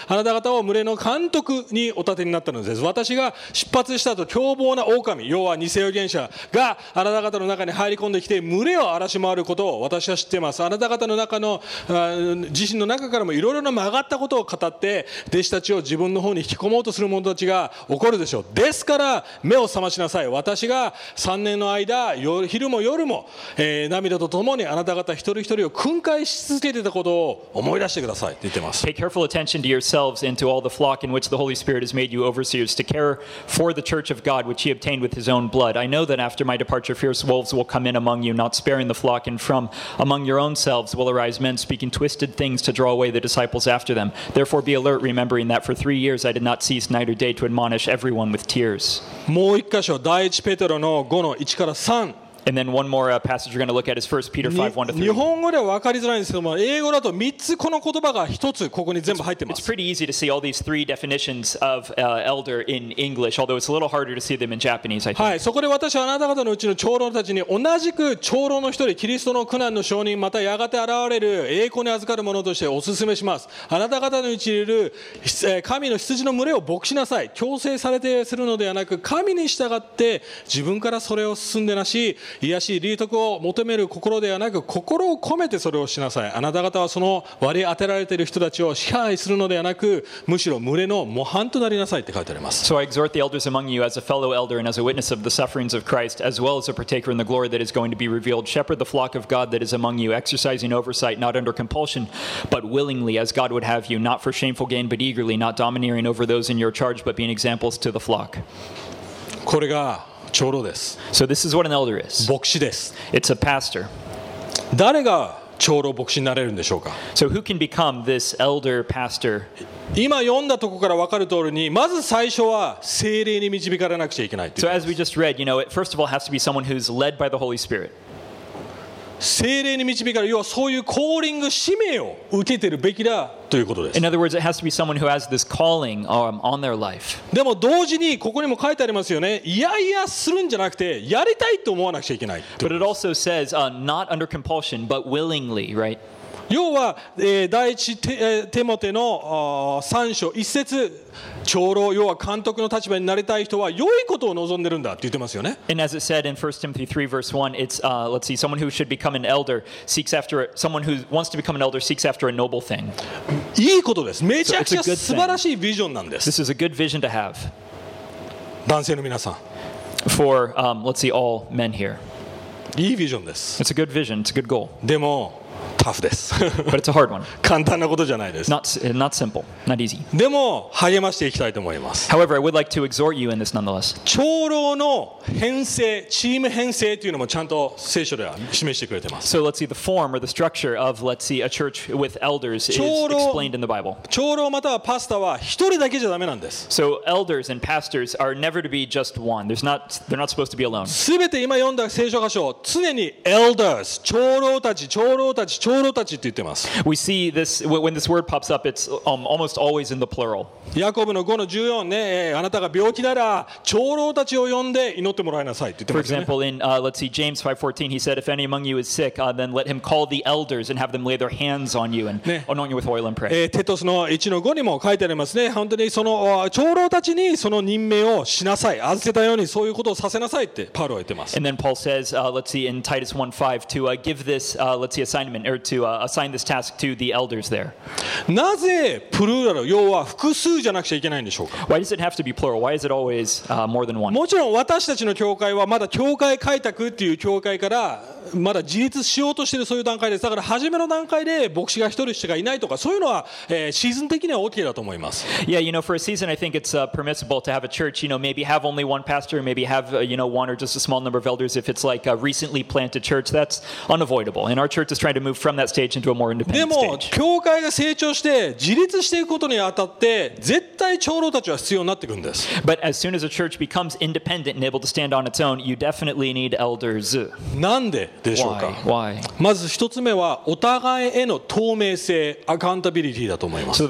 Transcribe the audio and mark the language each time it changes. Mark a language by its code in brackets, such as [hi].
[ja] あなた方を群れの監督にお立てになったのです。私が出発したと凶暴な狼、要は偽預言者があなた方の中に入り込んできて群れを荒らし回ることを私は知っています。あなた方の中の自身の中からもいろいろな曲がったことを語って弟子たちを自分の方に引き込もうとする者たちが起こるでしょう。ですから目を覚ましなさい。私が3年の間昼も夜も、涙とともにあなた方一人一人を訓戒し続けてたことを思い出してくださいって言ってます。 [en] Pay careful attention to yourselves and to all the flock in which the Holy Spirit has made you overseers to care for the church of God which he obtained with his own blood. I know that after my departure fierce wolves will come in among you not sparing the flock, and from among your own selves will arise men speaking twisted things to draw away the disciples after them. Therefore be alert, remembering that for 3 years I did not cease night or day to admonish everyone with tears. [ja] もう一箇所、第一ペテロの5の1から3。 [en] And then one more passage we're going to look at is 1 Peter 5, 1 to 3. [ja] 日本語では分かりづらいんですけども、英語だと3つこの言葉が1つここに全部入ってます。 [en] It's pretty easy to see all these three definitions of elder in English, although it's a little harder to see them in Japanese, I think. [ja] はい、そこで私はあなた方のうちの長老たちに同じく長老の一人、キリストの苦難の証人、またやがて現れる栄光に預かる者としてお勧めします。あなた方のうちにいる神の羊の群れを牧しなさい。強制されてするのではなく、神に従って自分からそれを進んでなし、癒し利得を求める心ではなく心を込めてそれをしなさい。あなた方はその割り当てられている人たちを支配するのではなく、むしろ群れの模範となりなさいって書いてあります。 [en] So I exhort the elders among you as a fellow elder and as a witness of the sufferings of Christ as well as a partaker in the glory that is going to be revealed. Shepherd the flock of God that is among you, exercising oversight not under compulsion but willingly as God would have you, not for shameful gain but eagerly, not domineering over those in your charge but being examples to the flock. [ja] これが長老です。 [en] So this is what an elder is. [ja] 牧師です。 [en] It's a pastor. [ja] 誰が長老牧師になれるんでしょうか。 [en] So who can become this elder pastor? [ja] 今読んだところから分かる通りに、まず最初は聖霊に導かれなくちゃいけないって。 [en] So as we just read, you know, it first of all has to be someone who's led by the Holy Spirit. [ja] 聖霊に導かれ、要はそういうコーリング、使命を受けてるべきだということです。 [en] In other words, it has to be someone who has this calling on their life. [ja] でも同時にここにも書いてありますよね。いやいやするんじゃなくて、やりたいと思わなくちゃいけない。 [en] But it also says, not under compulsion, but willingly, right? [ja] 要は、第一テモテの3章1節、長老、要は監督の立場になりたい人は良いことを望んでるんだって言ってますよね。 [en] And as it said in 1 Timothy 3 verse 1, it's, let's see, someone who should become an elder seeks after, someone who wants to become an elder seeks after a noble thing. [ja] いいことです。めちゃくちゃ素晴らしいビジョンなんです。 [en] This is a good vision to have. [ja] 男性の皆さん。 [en] For, let's see, all men here. [ja] いいビジョンです。 [en] It's a good vision, it's a good goal. [ja] でも、タフです。 [en] But it's a hard one. [ja] 簡単なことじゃないです。 [en] Not simple, not easy. [ja] でも励ましていきたいと思います。 [en] However, I would like to exhort you in this nonetheless. [ja] 長老の編成、チーム編成というのもちゃんと聖書では示してくれてます。 [en] So let's see the form or the structure of let's see a church with elders is explained in the Bible. [ja] 長老またはパスターは一人だけじゃダメなんです。 [en] So elders and pastors are never to be just one. They're not supposed to be alone. [ja] すべて今読んだ聖書箇所常に elders 長老たち長老たちって言ってます。 [en] We see this when this word pops up, it's almost always in the plural. [ja] ヤコブの5の14ね、あなたが病気なら長老たちを呼んで祈ってもらいなさいって言ってますね。 [en] For example, in let's see, James 5:14, he said, if any among you is sick, then let him call the elders and have them lay their hands on you and anoint you with oil and pray. [ja] テトスの1の5にも書いてありますね。本当にその長老たちにその任命をしなさい、預けたようにそういうことをさせなさいってパウロは言ってます。 [en] And then Paul says, let's see, in Titus 1:5, to give this, let's see, assignment. Or to assign this task to the elders there. [ja] なぜプルーラル、要は複数じゃなくちゃいけないんでしょうか。 [en] Why does it have to be plural? Why is it always more than one? [ja] もちろん私たちの教会はまだ教会開拓っていう教会からまだ自立しようとしているそういう段階です。だから初めの段階で牧師が一人しかいないとか、そういうのは、シーズン的には OK だと思います。 [en] Yeah, you know, for a season, I think it's permissible to have a church, you know, maybe have only one pastor, maybe have, you know, one or just a small number of elders if it's like a recently planted church. That's unavoidable. And our church is trying to move from that stage into a more independent stage. [ja] でも、教会が成長して自立していくことにあたって、絶対長老たちは必要になってくるんです。 [en] But as soon as a church becomes independent and able to stand on its own, you definitely need elders. [ja] なんででしょうか? [en] Why? [ja] まず一つ目はお互いへの透明性、アカウンタビリティだと思います。